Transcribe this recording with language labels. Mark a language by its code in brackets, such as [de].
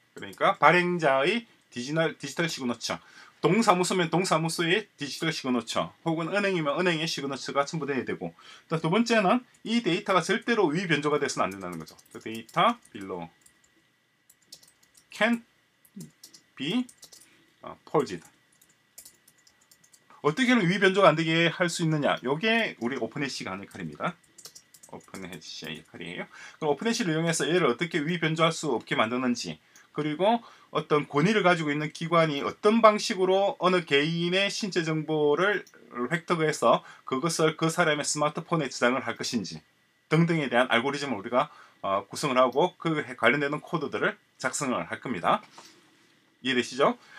[ko] 그러니까 발행자의 디지털 시그너처. 동사무소면 동사무소의 디지털 시그너처, 혹은 은행이면 은행의 시그너처가 첨부되어야 되고, 또 두 번째는 이 데이터가 절대로 위 변조가 돼서는 안 된다는 거죠. [en] The data below can be forged. [ko] 어떻게는 위 변조가 안 되게 할 수 있느냐? 이게 우리 오픈해시가 하는 역할입니다. 오픈해시의 역할이에요. 그럼 오픈해시를 이용해서 얘를 어떻게 위 변조할 수 없게 만드는지, 그리고 어떤 권위를 가지고 있는 기관이 어떤 방식으로 어느 개인의 신체 정보를 획득해서 그것을 그 사람의 스마트폰에 저장을 할 것인지 등등에 대한 알고리즘을 우리가 구성을 하고 그 관련되는 코드들을 작성을 할 겁니다. 이해되시죠?